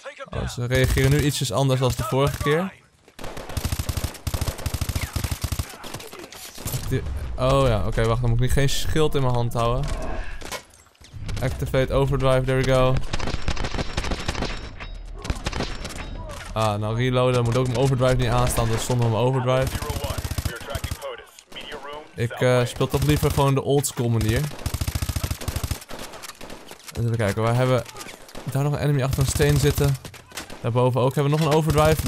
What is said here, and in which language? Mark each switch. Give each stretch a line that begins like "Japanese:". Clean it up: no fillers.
Dutch: Oh, ze reageren nu ietsjes anders dan de vorige keer. Oh ja, oké, wacht. Dan moet ik nu geen schild in mijn hand houden.
English: Activate overdrive, there we go.
Dutch: Ah, nou reloaden. Moet ook mijn overdrive niet aanstaan, dus zonder mijn overdrive. Ik speel toch liever gewoon de old school manier. Even kijken, waar hebben we... Daar nog een enemy achter een steen zitten. Daarboven ook. Hebben we nog een overdrive?